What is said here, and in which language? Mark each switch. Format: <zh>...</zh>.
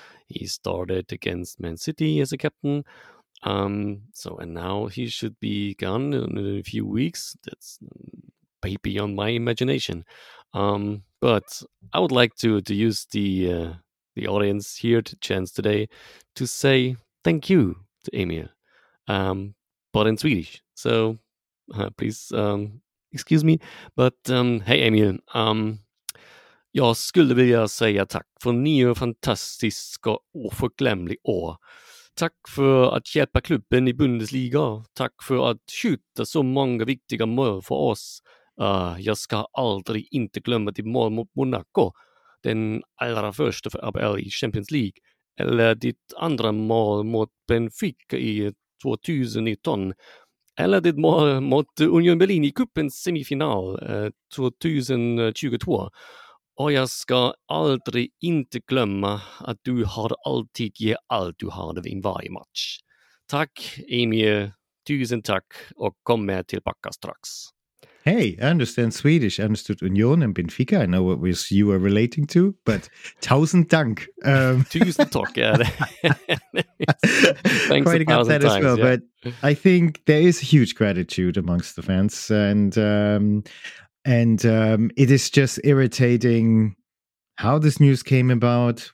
<en>He started against Man City as a captain. And now he should be gone in a few weeks. That's way beyond my imagination. But I would like to use the audience here to chance today to say thank you to Emil, but in Swedish. So please excuse me, but hey Emil,</en> <sv>jag skulle vilja säga tack för nio fantastiska och förglömliga år. Tack för att hjälpa klubben i Bundesliga. Tack för att skjuta så många viktiga mål för oss. Jag ska aldrig inte glömma ditt mål mot Monaco, den allra första för ABL i Champions League, eller ditt andra mål mot Benfica i 2019. Eller det mål mot Union Berlin i kuppens semifinal 2022. Och jag ska aldrig inte glömma att du har alltid ge allt du har i varje match. Tack Emil, tusen tack och kom med tillbaka strax.</sv> <en>Hey, I understand Swedish, I understood Union and Benfica. I know what you are relating to, but</en> <de>tausend Dank. Tusen Dank, yeah.</de> <en>Thanks quite a thousand times, that as well, yeah. But I think there is a huge gratitude amongst the fans, and it is just irritating how this news came about.</en>